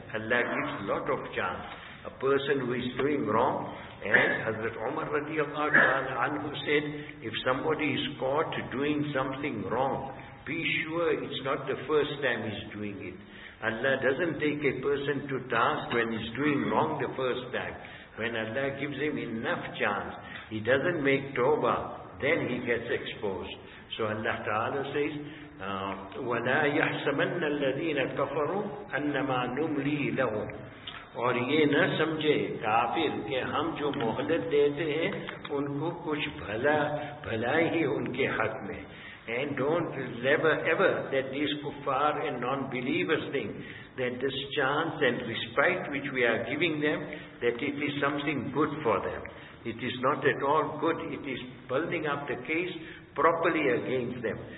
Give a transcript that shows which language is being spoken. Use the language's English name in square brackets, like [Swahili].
[English] Allah gives a lot of chance. A person who is doing wrong, and Hazrat Umar radiallahu anhu said, if somebody is caught doing something wrong, be sure it's not the first time he's doing it. Allah doesn't take a person to task when he's doing wrong the first time. When Allah gives him enough chance, he doesn't make tawbah, then he gets exposed. So Allah Ta'ala says, [Arabic] وَلَا يَحْسَبَنَّ الَّذِينَ كَفَرُوا أَنَّمَا نُمْلِي لَهُمْ. [Urdu] اور یہ نہ سمجھے کافر کہ ہم جو مہلت دیتے ہیں ان کو کچھ بھلا ہی ان کے حق میں. [English] And don't ever that these kuffar and non-believers think that this chance and respite which we are giving them, that it is something good for them. It is not at all good. It is building up the case properly against them.